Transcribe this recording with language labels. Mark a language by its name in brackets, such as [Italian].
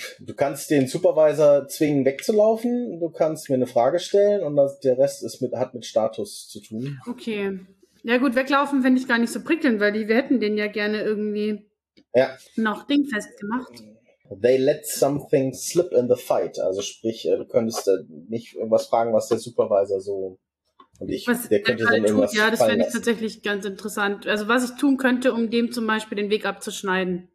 [German] Du kannst den Supervisor zwingen, wegzulaufen. Du kannst mir eine Frage stellen und der Rest hat mit Status zu tun. Okay. Ja gut, weglaufen fände ich gar nicht so prickelnd, weil wir hätten den ja gerne irgendwie noch dingfest gemacht. [English] They let something slip in the fight. [German] Also sprich, du könntest nicht irgendwas fragen, was der Supervisor so und ich, was der könnte dann irgendwas tut. Ja, das fände ich tatsächlich ganz interessant. Also was ich tun könnte, um dem zum Beispiel den Weg abzuschneiden.